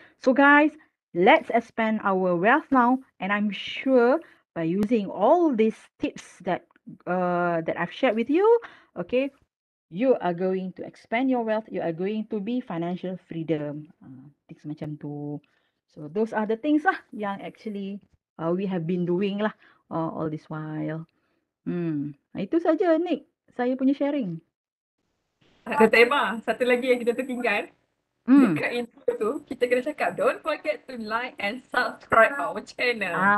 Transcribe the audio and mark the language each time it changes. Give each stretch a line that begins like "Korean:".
English: So guys, let's expand our wealth now, and I'm sure by using all these tips that I've shared with you, okay, you are going to expand your wealth, you are going to be financial freedom, things
Malay: macam tu.
English: So those are the things lah yang actually we have been doing lah all this while.
Malay: Itu saja Nick, saya punya sharing. Ada tema satu lagi yang kita tertinggal. Dekat intro tu kita kena cakap
English: don't forget to like and subscribe our channel.